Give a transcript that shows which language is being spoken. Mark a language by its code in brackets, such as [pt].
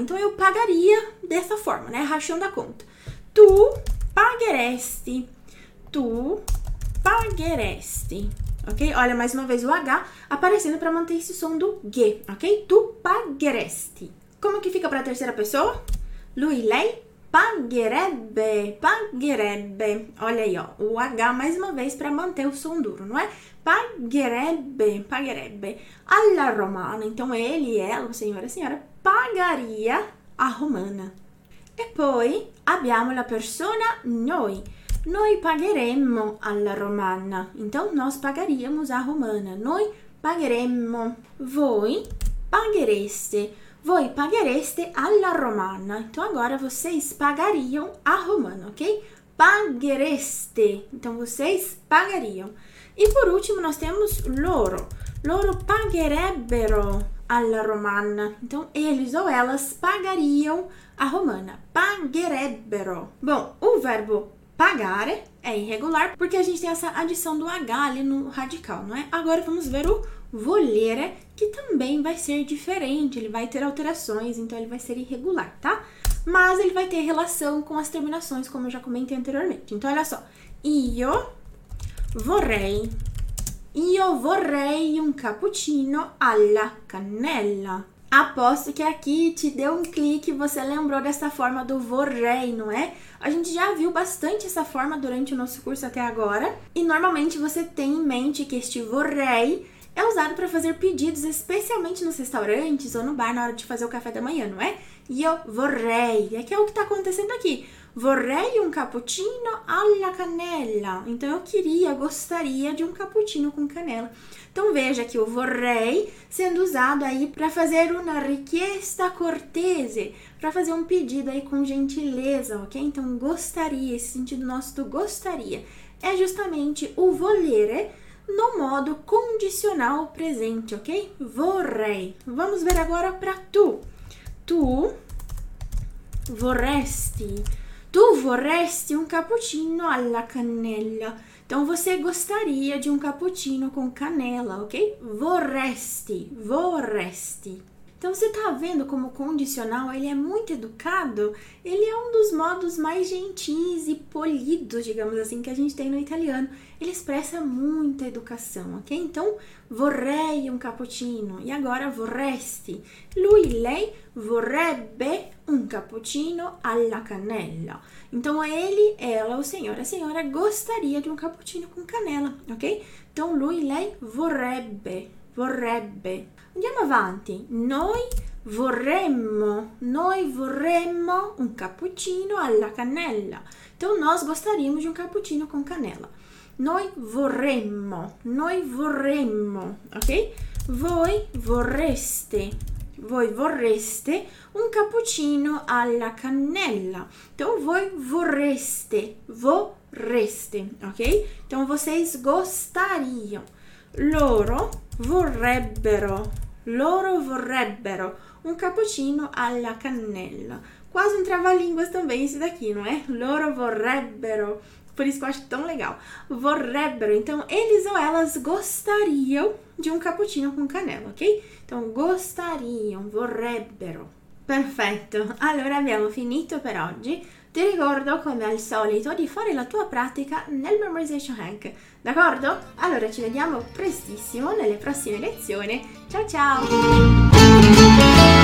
[pt] Então, eu pagaria dessa forma, né? Rachando a conta. [it] Tu pagheresti. Tu pagheresti. Ok? [pt] Olha, mais uma vez o H aparecendo para manter esse som do G, ok? [it] Tu pagheresti. [pt] Como que fica para a terceira pessoa? [it] Lui, lei, pagherebbe, pagherebbe. [pt] Olha aí, ó, o H mais uma vez para manter o som duro, não é? [it] Pagherebbe, pagherebbe. [pt] Alla romana, então ele, ela, o senhor, a senhora, pagaria a romana. [it] E poi abbiamo la persona noi. Noi pagheremmo alla romana. [pt] Então, nós pagaríamos a romana. [it] Noi pagheremmo. Voi paghereste. Voi paghereste alla romana. [pt] Então, agora vocês pagariam a romana, ok? Paghereste. Então, vocês pagariam. E por último, nós temos loro. [it] Loro pagherebbero alla romana. [pt] Então, eles ou elas pagariam a romana. Pagherebbero. Bom, o verbo pagare é irregular porque a gente tem essa adição do H ali no radical, não é? Agora vamos ver o volere, que também vai ser diferente, ele vai ter alterações, então ele vai ser irregular, tá? Mas ele vai ter relação com as terminações, como eu já comentei anteriormente. Então, olha só, [it] io vorrei um cappuccino alla cannella. [pt] Aposto que aqui te deu um clique e você lembrou dessa forma do vorrei, não é? A gente já viu bastante essa forma durante o nosso curso até agora. E normalmente você tem em mente que este vorrei é usado para fazer pedidos, especialmente nos restaurantes ou no bar na hora de fazer o café da manhã, não é? [it] Io vorrei. [pt] É que é o que está acontecendo aqui. [it] Vorrei um cappuccino alla canela. [pt] Então, eu queria, gostaria de um cappuccino com canela. Então, veja que o vorrei sendo usado aí para fazer [it] una richiesta cortese, [pt] para fazer um pedido aí com gentileza, ok? Então, gostaria, esse sentido nosso do gostaria, é justamente o volere no modo condicional presente, ok? Vorrei. Vamos ver agora para tu. [it] Tu vorresti. Tu vorresti um cappuccino alla cannella. [pt] Então, você gostaria de um cappuccino com canela, ok? Vorresti, vorresti. Então, você está vendo como o condicional, ele é muito educado, ele é um dos modos mais gentis e polidos, digamos assim, que a gente tem no italiano. Ele expressa muita educação, ok? Então, vorrei um cappuccino. E agora, vorresti. [it] Lui, lei, vorrebbe un cappuccino alla cannella. [pt] Então, ele, ela, o senhor, a senhora gostaria de um cappuccino com canela, ok? [it] Então, lui, lei, vorrebbe. Vorrebbe. Andiamo avanti. Noi vorremmo un cappuccino alla cannella. [pt] Então, nós gostaríamos de um cappuccino com canela. [it] Noi vorremmo, ok? Voi vorreste un cappuccino alla cannella. Então, voi vorreste, vorreste, ok? [pt] Então, vocês gostariam. [it] Loro vorrebbero un cappuccino alla cannella. [pt] Quasi un travalinguas também esse daqui, não é? [it] Loro vorrebbero. [pt] Por isso que eu acho tão legal. Vorrebbero. Então, eles ou elas gostariam de um cappuccino com canela, ok? Então, gostariam, vorrebbero. Perfetto. [it] Allora, abbiamo finito per oggi. Ti ricordo, come al solito, di fare la tua pratica nel Memorization Hack. D'accordo? Allora ci vediamo prestissimo nelle prossime lezioni. Ciao ciao!